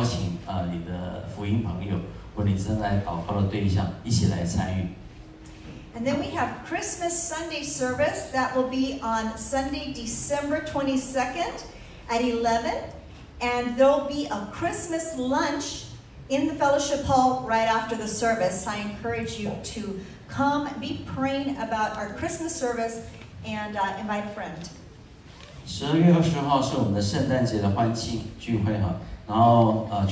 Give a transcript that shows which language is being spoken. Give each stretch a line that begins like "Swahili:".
Chinese: 教会在十二月七号，有姐妹的聚会。那这个姐妹的聚会里面的话，有个特别的一个安排，就是让这些参与的姐妹们，你带一个包装好的马克杯或者是茶杯哈，那上面不要写名字啊，包装好的马克杯或者是茶杯，可能要做礼物交换或怎么样。那欢迎姐妹们也可以当天邀请你的福音朋友。
English: And then we have Christmas Sunday service that will be on Sunday, December 22nd at 11. And there'll be a Christmas lunch in the fellowship hall right after the service. I encourage you to come be praying about our Christmas service and invite a friend.
Chinese: 12月20号是我们的圣诞节的欢庆聚会哈。